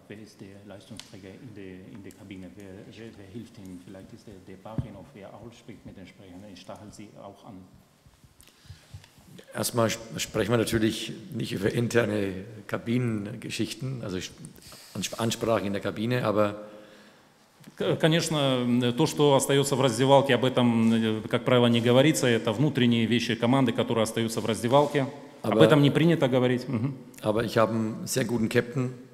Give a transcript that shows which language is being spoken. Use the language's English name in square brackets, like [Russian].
[German] Wer ist der Leistungsträger in der Kabine? Wer hilft ihnen? Vielleicht ist der Barinov, wer auch spricht mit den Sprechern. Ich stachel sie auch an. Erstmal sprechen wir natürlich nicht über interne Kabinengeschichten, also Ansprachen in der Kabine, aber [Russian] конечно, то, что остается в раздевалке, об этом, как правило, не говорится. Это внутренние вещи команды, которые остаются в раздевалке. Об этом не принято говорить. [German] Aber ich habe einen sehr guten Captain,